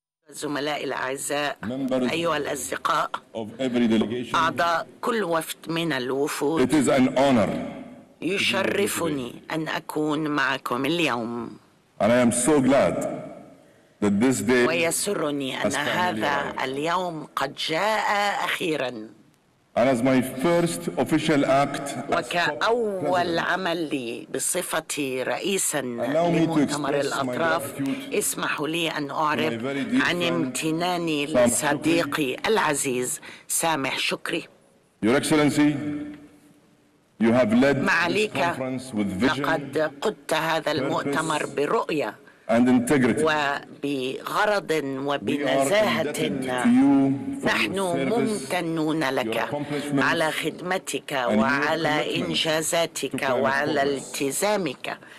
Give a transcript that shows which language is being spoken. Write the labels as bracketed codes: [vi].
[ar] زملائي الأعزاء، أيها الأصدقاء، أعضاء كل وفد من الوفود، [en] It is an honor [ar] يشرفني أن أكون معكم اليوم. [en] And I am so glad that this day [ar] ويسرني أن هذا اليوم قد جاء أخيراً. [en] And as my first official act [ar] وكأول عمل لي بصفة رئيسا لمؤتمر الأطراف اسمحوا لي أن أعرب عن امتناني لصديقي العزيز سامح شكري. [en] Your Excellency, you have led this conference with vision, [ar] لقد قدت هذا المؤتمر برؤية [en] and integrity. [ar] وبغرض وبنزاهة نحن ممتنون لك على خدمتك وعلى إنجازاتك وعلى التزامك